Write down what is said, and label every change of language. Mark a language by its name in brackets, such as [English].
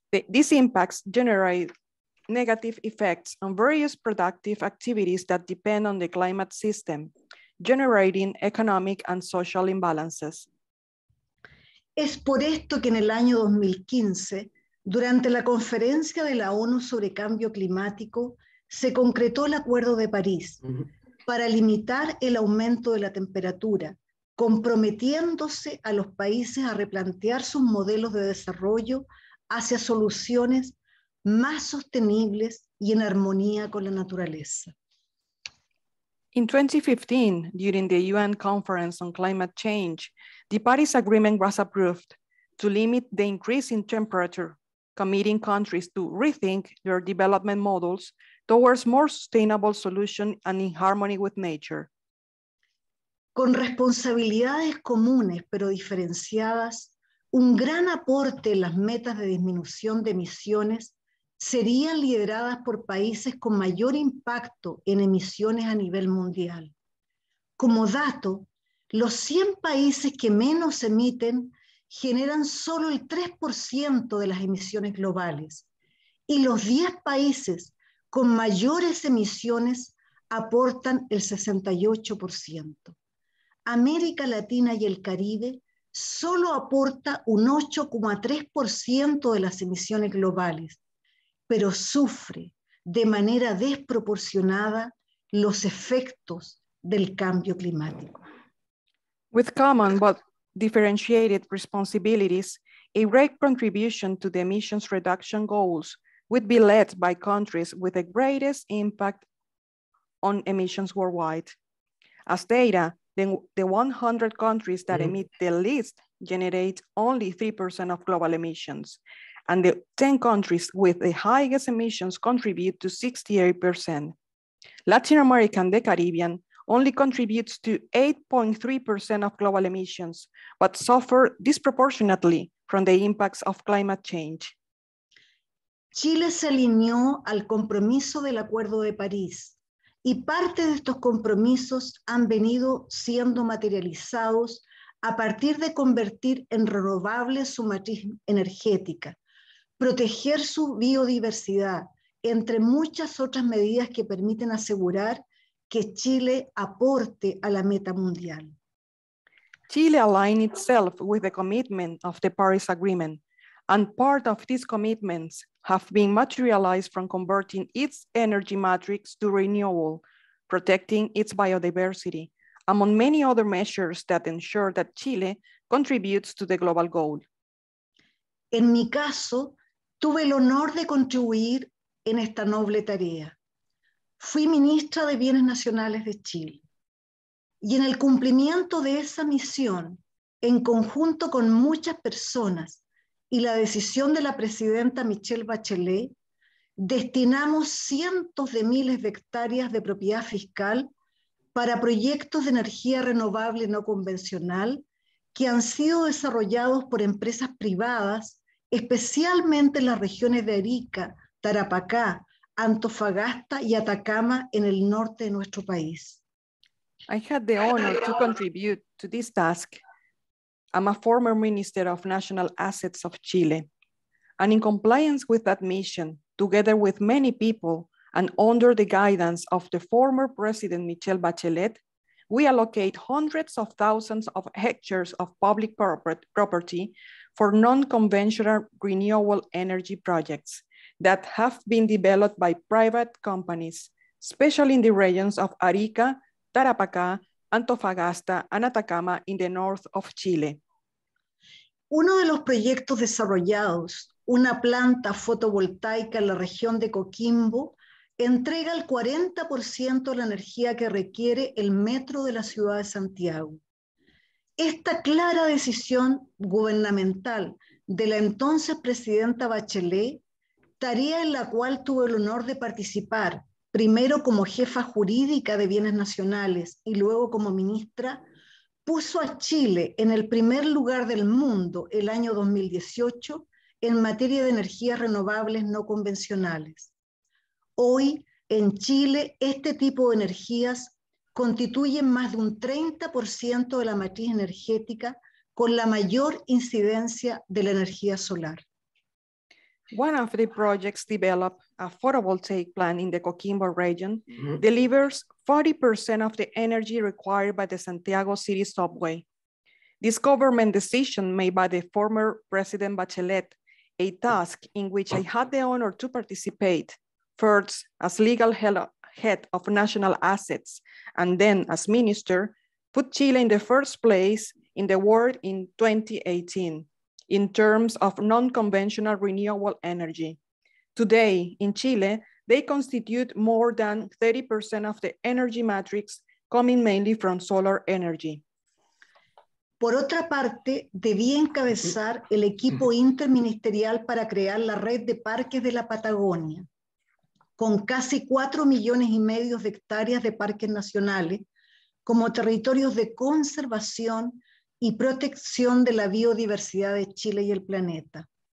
[English] These impacts generate negative effects on various productive activities that depend on the climate system, generating economic and social imbalances. [Spanish] Es por esto que en el año 2015, durante la conferencia de la ONU sobre cambio climático, se concretó el Acuerdo de París para limitar el aumento de la temperatura, comprometiéndose a los países a replantear sus modelos de desarrollo hacia soluciones más sostenibles y en armonía con la naturaleza. [English] In 2015, during the UN Conference on Climate Change, the Paris Agreement was approved, to limit the increase in temperature, committing countries to rethink their development models towards more sustainable solutions and in harmony with nature. [Spanish] Con responsabilidades comunes pero diferenciadas, un gran aporte en las metas de disminución de emisiones serían lideradas por países con mayor impacto en emisiones a nivel mundial. Como dato, los 100 países que menos emiten generan solo el 3% de las emisiones globales, y los 10 países con mayores emisiones aportan el 68%. América Latina y el Caribe solo aporta un 8,3% de las emisiones globales, pero sufre de manera desproporcionada los efectos del cambio climático. [English] With common but differentiated responsibilities, a great contribution to the emissions reduction goals would be led by countries with the greatest impact on emissions worldwide. As data, the 100 countries that emit the least generate only 3% of global emissions, and the 10 countries with the highest emissions contribute to 68%. Latin America and the Caribbean only contributes to 8.3% of global emissions, but suffer disproportionately from the impacts of climate change. [Spanish] Chile se alineó al compromiso del Acuerdo de París, y parte de estos compromisos han venido siendo materializados a partir de convertir en renovable su matriz energética, proteger su biodiversidad, entre muchas otras medidas que permiten asegurar que Chile aporte a la meta mundial. [English] Chile aligned itself with the commitment of the Paris Agreement, and part of these commitments have been materialized from converting its energy matrix to renewable, protecting its biodiversity, among many other measures that ensure that Chile contributes to the global goal. [Spanish] En mi caso, tuve el honor de contribuir en esta noble tarea. Fui ministra de Bienes Nacionales de Chile. Y en el cumplimiento de esa misión, en conjunto con muchas personas, y la decisión de la presidenta Michelle Bachelet, destinamos cientos de miles de hectáreas de propiedad fiscal para proyectos de energía renovable no convencional que han sido desarrollados por empresas privadas, especialmente en las regiones de Arica, Tarapacá, Antofagasta y Atacama en el norte de nuestro país. [English] I had the honor to contribute to this task. I'm a former Minister of National Assets of Chile. And in compliance with that mission, together with many people and under the guidance of the former President Michelle Bachelet, we allocate hundreds of thousands of hectares of public property for non-conventional renewable energy projects that have been developed by private companies, especially in the regions of Arica, Tarapacá, Antofagasta, and Atacama in the north of Chile. [Spanish] Uno de los proyectos desarrollados, una planta fotovoltaica en la región de Coquimbo, entrega el 40% de la energía que requiere el metro de la ciudad de Santiago. Esta clara decisión gubernamental de la entonces presidenta Bachelet, tarea en la cual tuve el honor de participar, primero como jefa jurídica de Bienes Nacionales y luego como ministra, puso a Chile en el primer lugar del mundo el año 2018 en materia de energías renovables no convencionales. Hoy, en Chile, este tipo de energías constituyen más de un 30% de la matriz energética con la mayor incidencia de la energía solar. [English] One of the projects developed, a photovoltaic plant in the Coquimbo region, delivers 40% of the energy required by the Santiago City subway. This government decision made by the former President Bachelet, a task in which I had the honor to participate, first as legal head of national assets, and then as minister, put Chile in the first place in the world in 2018. In terms of non-conventional renewable energy. Today, in Chile, they constitute more than 30% of the energy matrix coming mainly from solar energy. [Spanish] Por otra parte, debí encabezar el equipo interministerial para crear la red de parques de la Patagonia. Con casi 4,5 millones de hectáreas de parques nacionales, como territorios de conservación y protección de la biodiversidad de Chile y el planeta.